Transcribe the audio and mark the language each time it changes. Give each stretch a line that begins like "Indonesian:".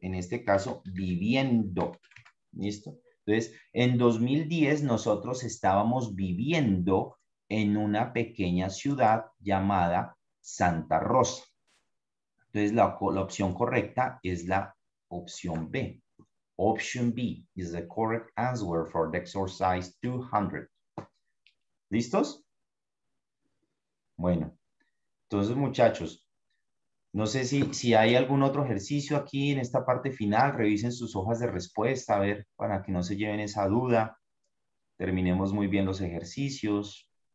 Spanish: En este caso, viviendo. ¿Listo? Entonces, en 2010 nosotros estábamos viviendo en una pequeña ciudad llamada Santa Rosa. Entonces, la opción correcta es la opción B.
English: Option B is the correct answer for the exercise 200.
Spanish: ¿Listos? Bueno, entonces, muchachos, no sé si hay algún otro ejercicio aquí en esta parte final. Revisen sus hojas de respuesta, a ver, para que no se lleven esa duda. Terminemos muy bien los ejercicios.